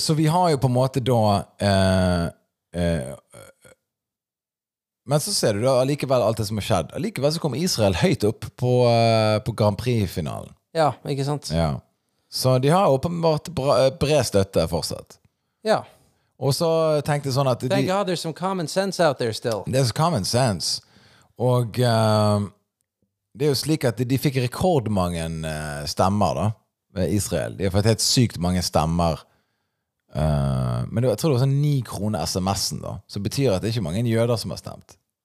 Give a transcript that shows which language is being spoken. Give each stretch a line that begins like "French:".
Norwegian: Så vi har jo på en måte da, men så ser du da likevel alt det som har skjedd. Likevel så kommer Israel høyt opp på Grand Prix-finalen. Ja, ikke sant? Ja. Så de har åpenbart bred støtte fortsatt. Ja. Og så tenkte jeg sånn at...
English: Thank God there's some common sense out there still. There's common sense.
Norwegian: Og det er jo slik at de fikk rekordmange stemmer da, ved Israel. De har fått helt sykt mange stemmer. Men jeg tror det var sånn 9 kroner sms'en da. Så betyr at det ikke er mange jøder som har stemt.